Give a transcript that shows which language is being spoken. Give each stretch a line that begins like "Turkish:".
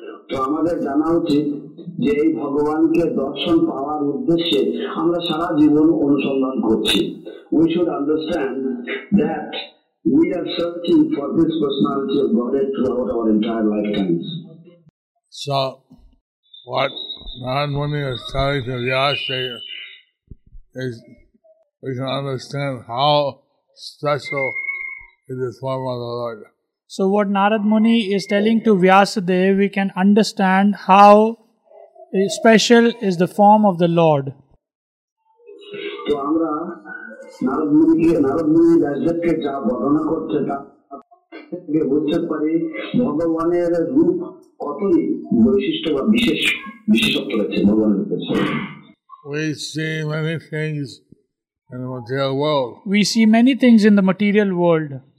Bangla: তো আমাদের জানা উচিত যে এই ভগবানকে দর্শন পাওয়ার উদ্দেশ্যে আমরা সারা জীবন অনুসন্ধান করছি।
English: We should understand that we are searching for this personality of Godhead throughout our entire lifetimes. So, what Narad Muni is telling to Vyasadeva is we can understand how special is the form of the Lord. So what Narad Muni is telling to Vyasadeva, we can understand how special is the form of the Lord.
Bangla: So Amra Narad Muni ke Narad Muni Vyasadeva ke ja varnana korte ta বুঝতে পারি ভগবানের রূপ কতই বৈশিষ্ট্য বা বিশেষ বিশেষত্ব রয়েছে ভগবানের কাছে।
English: We see many things in the material world. We see many things in the material world.